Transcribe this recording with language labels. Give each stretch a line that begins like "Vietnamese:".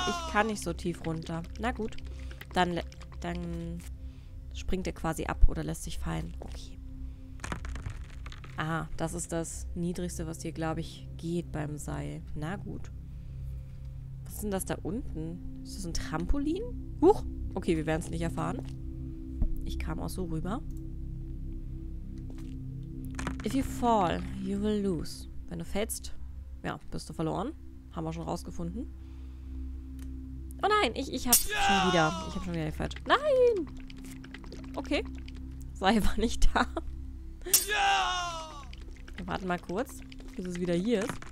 German: Ich kann nicht so tief runter. Na gut. Dann springt er quasi ab oder lässt sich fallen. Okay. Aha, das ist das Niedrigste, was hier, glaube ich, geht beim Seil. Na gut. Was ist denn das da unten? Ist das ein Trampolin? Huch, okay, wir werden es nicht erfahren. Ich kam auch so rüber.
English: If you fall, you will lose.
German: Wenn du fällst, ja, bist du verloren. Haben wir schon rausgefunden. Oh nein, ich hab schon wieder gefällt. Nein! Okay. Sei aber nicht da. Ja! Wir warten mal kurz, bis es wieder hier ist.